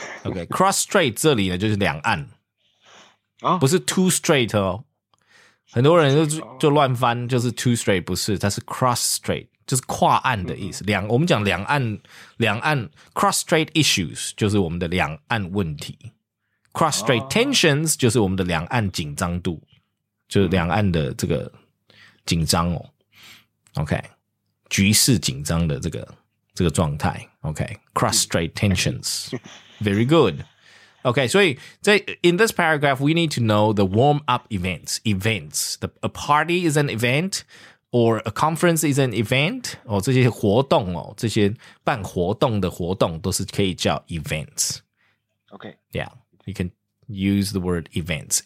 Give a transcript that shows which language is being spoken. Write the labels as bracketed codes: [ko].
[zh] Okay, cross straight 这里呢就是两岸，不是 too straight 哦。很多人就乱翻，就是 too straight 不是，它是 cross straight。就是跨岸的意思，我们讲两岸 cross strait issues 就是我们的两岸问题， cross strait tensions 就是我们的两岸紧张度，就是两岸的这个紧张哦。 OK， 局势紧张的这个状态。 [en] OK， cross strait tensions， very good。 OK， [zh] 所以在 [en] in this paragraph we need to know the warm up events. A party is an event. Or a conference is an event. [zh] 哦，这些活动哦，这些办活动的活动都是可以叫 events. [en] Okay. Yeah. You can use the word events.